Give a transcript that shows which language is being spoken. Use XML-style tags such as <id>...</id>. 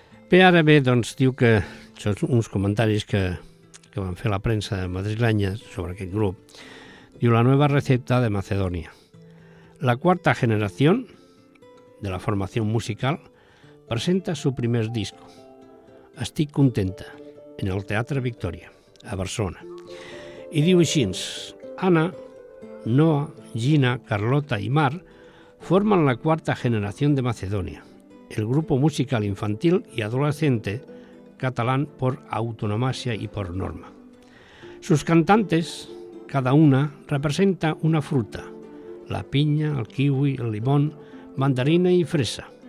<ca>Bé, ara bé, doncs, diu que són uns comentaris que van fer la premsa madrilenya sobre aquest grup.</ca> <es>Diu, la nueva recepta de Macedonia. La cuarta generación de la formación musical presenta su primer disco, Estic contenta, en el Teatre Victòria, a Barcelona.</es> <ca>I diu així, Anna, Noa, Gina, Carlota i Mar</ca> <es>forman la cuarta generación de Macedonia, el grupo musical infantil y adolescente catalán por autonomasia y por norma. Sus cantantes, cada una, representa una fruta: la piña, el kiwi, el limón, mandarina y fresa.</es>